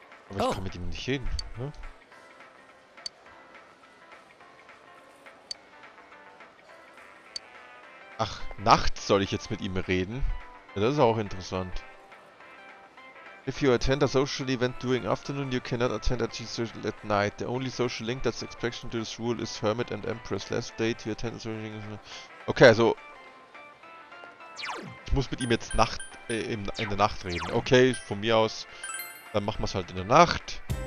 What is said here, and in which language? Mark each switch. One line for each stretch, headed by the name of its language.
German: Aber ich kann mit ihm nicht hin, ne? Ach, nachts soll ich jetzt mit ihm reden? Ja, das ist auch interessant.
English: If you attend a social event during afternoon, you cannot attend a tea social at night. The only social link that's exception to this rule is Hermit and Empress. Last day to attend a social link.
German: Okay, also ich muss mit ihm jetzt in der Nacht reden. Okay, von mir aus. Dann machen wir es halt in der Nacht.